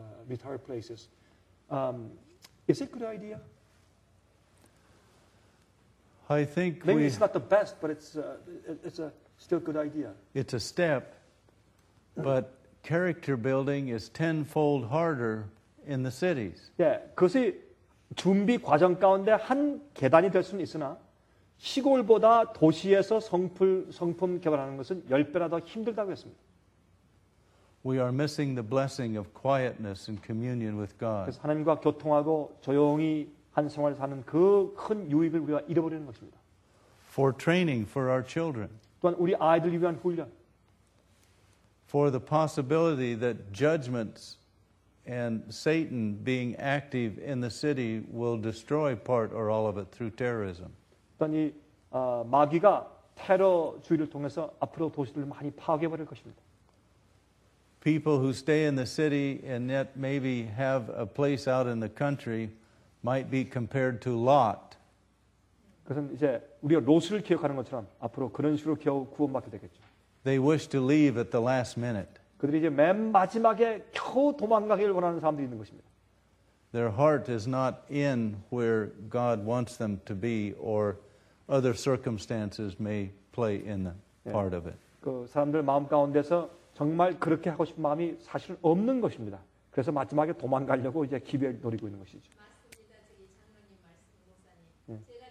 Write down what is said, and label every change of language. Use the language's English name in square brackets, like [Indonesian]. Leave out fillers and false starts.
[English] Retired places. Is it a good idea? I think maybe it's not the best, but it's still a good idea. It's a step, but. Character building is tenfold harder in the cities. [Korean] 예, 그것이 준비 과정 가운데 한 계단이 될 수는 있으나 시골보다 도시에서 성품 개발하는 것은 열 배나 더 힘들다고 했습니다. [English] We are missing the blessing of quietness and communion with God. [Korean] 그래서 하나님과 교통하고 조용히 한 생활을 사는 그 큰 유익을 우리가 잃어버리는 것입니다. [English] For training for our children. [Korean] 또한 우리 아이들 위한 훈련. [English] For the possibility that judgments and Satan being active in the city will destroy part or all of it through terrorism. [Korean] 또한 이 마귀가 테러주의를 통해서 앞으로 도시를 많이 파괴해버릴 것입니다. [English] People who stay in the city and yet maybe have a place out in the country might be compared to Lot. [Korean] 그것은 이제 우리가 롯을 기억하는 것처럼 앞으로 그런 식으로 겨우 구원받게 되겠죠. [English] They wish to leave at the last minute. [Korean] 그들이 이제 맨 마지막에 겨우 도망가기를 원하는 사람들이 있는 것입니다. [English] Their heart is not in where God wants them to be or other circumstances may play in the part of it. [Korean] 그 사람들 마음 가운데서 정말 그렇게 하고 싶은 마음이 사실 없는 것입니다. 그래서 마지막에 도망가려고 이제 기회를 노리고 있는 것이죠. 맞습니다. 저기 장로님 말씀 목사님.